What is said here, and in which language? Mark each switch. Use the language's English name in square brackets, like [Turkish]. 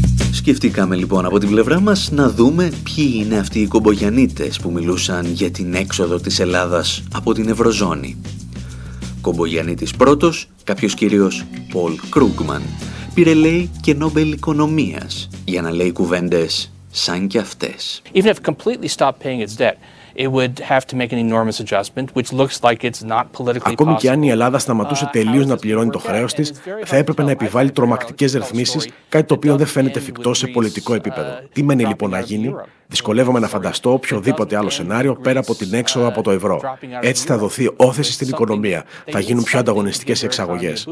[Greek] Σκεφτήκαμε λοιπόν από την πλευρά μας να δούμε ποιοι είναι αυτοί οι κομπογιανίτες που μιλούσαν για την έξοδο της Ελλάδας από την Ευρωζώνη. Κομπογιανίτης πρώτος, κάποιος κύριος Πολ Κρούγκμαν, πήρε, λέει, και Νόμπελ Οικονομίας για να λέει κουβέντες σαν και αυτές. [English] Even if completely stopped paying its debt, it would have to make an enormous adjustment, which looks like it's not politically possible. [Greek] Ακόμη και αν η Ελλάδα σταματούσε τελείως να πληρώνει το χρέος της, θα έπρεπε να επιβάλλει τρομακτικές ρυθμίσεις, κάτι το οποίο δεν φαίνεται εφικτό σε πολιτικό επίπεδο. Τι μένει λοιπόν να γίνει? Δυσκολεύομαι να φανταστώ οποιοδήποτε άλλο σενάριο πέρα από την έξοδο από το ευρώ. Έτσι θα δοθεί όθεση στην οικονομία, θα γίνουν πιο ανταγωνιστικές οι εξαγωγές.